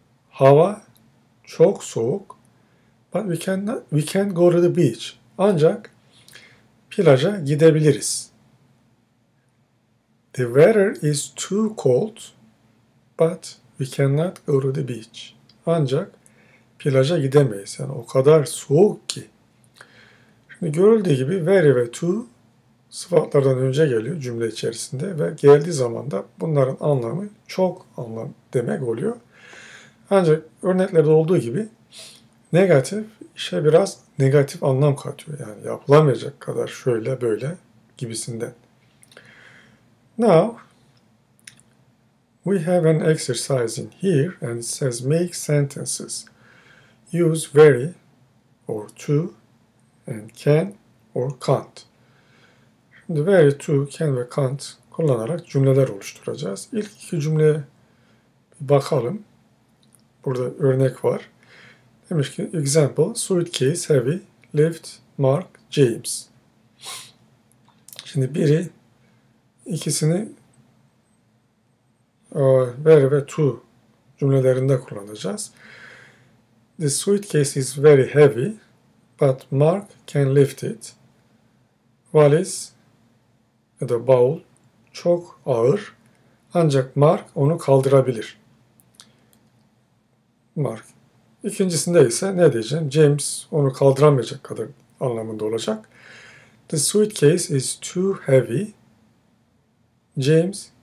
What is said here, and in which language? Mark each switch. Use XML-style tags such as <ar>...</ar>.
<tr>Hava çok soğuk.</tr> <en>But we can go to the beach.</en> <tr>Ancak plaja gidebiliriz.</tr> <en>The weather is too cold, but we cannot go to the beach.</en> <tr>Ancak plaja gidemeyiz. Yani o kadar soğuk ki. Şimdi görüldüğü gibi very ve too sıfatlardan önce geliyor cümle içerisinde ve geldiği zaman da bunların anlamı çok anlam demek oluyor. Ancak örneklerde olduğu gibi negatif işe biraz negatif anlam katıyor. Yani yapılamayacak kadar şöyle böyle gibisinden.</tr> <en>Now, we have an exercise in here and it says make sentences. Use very or to and can or can't.</en> <tr>Şimdi very, to, can ve can't kullanarak cümleler oluşturacağız. İlk iki cümleye bakalım. Burada örnek var. Demiş ki, example, suitcase, heavy, lift, Mark, James. Şimdi biri, ikisini very ve too cümlelerinde kullanacağız.</tr> <en>The suitcase is very heavy, but Mark can lift it.</en> <tr>Valiz ya da bavul çok ağır, ancak Mark onu kaldırabilir. Mark. İkincisinde ise ne diyeceğim? James onu kaldıramayacak kadar anlamında olacak.</tr> <en>The suitcase is too heavy. James</en>